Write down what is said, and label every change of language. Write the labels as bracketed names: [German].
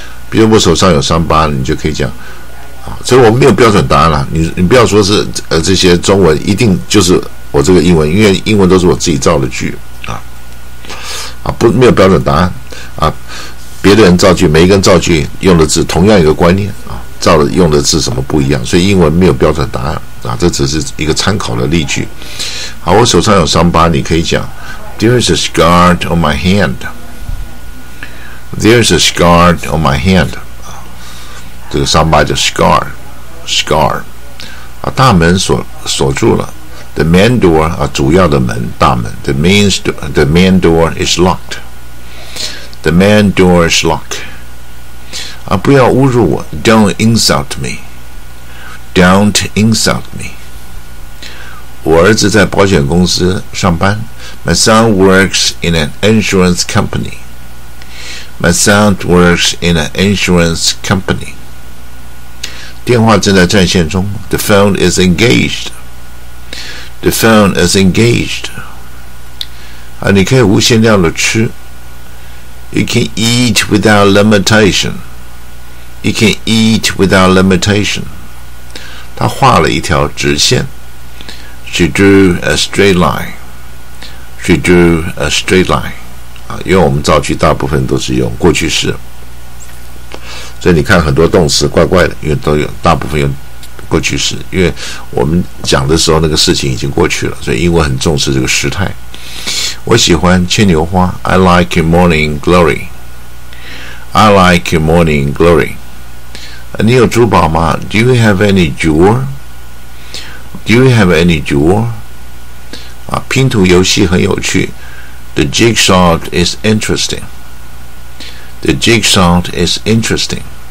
[Chinese] 比如我手上有伤疤，你就可以讲啊，所以我们没有标准答案了，你不要说是这些中文一定就是我这个英文，因为英文都是我自己造的句啊，不，没有标准答案啊。别的人造句，每一个人造句用的字同样一个观念啊，造的用的字什么不一样，所以英文没有标准答案啊，这只是一个参考的例句。好，我手上有伤疤，你可以讲 [English] There is a scar on my hand. There is a scar on my hand. [Chinese] 这个伤疤叫 scar 啊，大门锁住了 ， [English] the main door [Chinese] 啊，主要的门，大门 ， [English] the main door is locked. The main door is locked. [Chinese] 啊，不要侮辱我。 [English] Don't insult me. Don't insult me. [Chinese] 我儿子在保险公司上班。 [English] My son works in an insurance company. My son works in an insurance company. [Chinese] 电话正在占线中。 [English] The phone is engaged. The phone is engaged. [Chinese] 啊，你可以无限量的吃。 [English] You can eat without limitation. You can eat without limitation. [Chinese] 他画了一条直线。 [English] She drew a straight line. She drew a straight line. [Chinese] 啊，因为我们造句大部分都是用过去式，所以你看很多动词怪怪的，因为都有大部分用过去式，因为我们讲的时候那个事情已经过去了，所以英文很重视这个时态。我喜欢牵牛花 [English] I like your morning glory I like your morning glory [Chinese] 你有珠宝吗 [English] Do you have any jewel Do you have any jewel [Chinese] 啊，拼图游戏很有趣 [English] The jigsaw is interesting The jigsaw is interesting